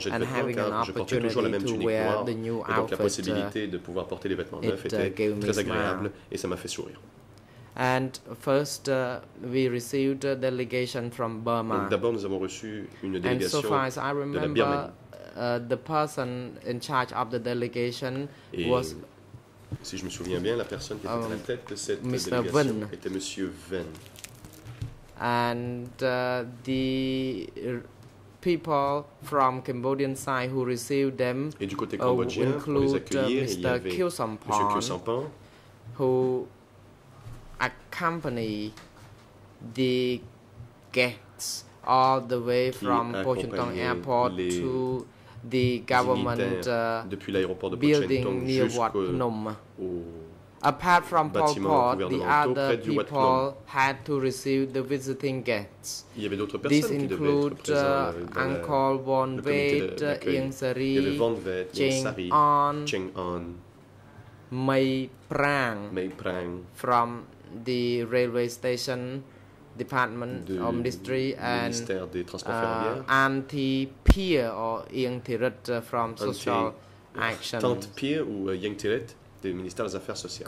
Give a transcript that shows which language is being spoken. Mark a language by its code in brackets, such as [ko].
[en] and having an opportunity to wear the new outfit, it gave me smile. And first, we received a delegation from Burma. [fr] D'abord, nous avons reçu une délégation [en] and so far as I remember, the person in charge of the delegation was [fr] si je me souviens bien, la personne qui était à la tête de cette Mr. délégation Vin. Était Monsieur Vin. [en] And the people from Cambodian side who received them [fr] et du côté cambodgien, [en] include Mr. Kyo Sampan, who accompany the guests all the way from Pochentong Airport to the government building near Wat Phnom. Apart from Pol Pot, the other people had to receive the visiting guests. [fr] Il y avait d'autres personnes qui [en] include Uncle [fr] Von Vett, Yeng Sari, [en] Cheng On, Mei Prang, from the railway station department of ministry and Auntie Pier or Yeng Thirit from social action. [fr] Tante Pier ou Yeng Thirit, du ministère des Affaires sociales.